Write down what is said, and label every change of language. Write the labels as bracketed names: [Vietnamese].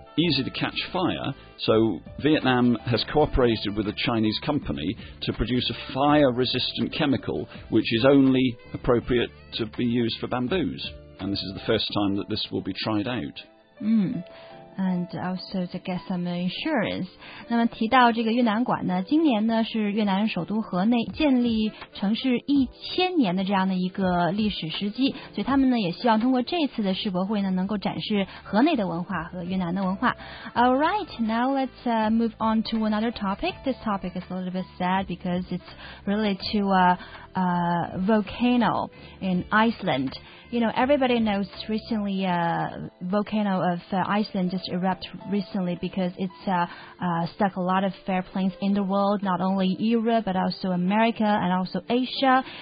[English] easy to catch fire, so Vietnam has cooperated with a Chinese company to produce a fire-resistant chemical which is only appropriate to be used for bamboos. And this is the first time that this will be tried out. And also to get some insurance. [Chinese] 那么提到这个越南馆呢，今年呢是越南首都河内建立城市一千年的这样的一个历史时机，所以他们呢也希望通过这次的世博会呢能够展示河内的文化和越南的文化。 [English] Alright, now let's move on to another topic. This topic is a little bit sad because it's related to a volcano in Iceland. You know, everybody knows recently a volcano of Iceland just erupted recently because it's stuck a lot of airplanes in the world, not only Europe, but also America and also Asia.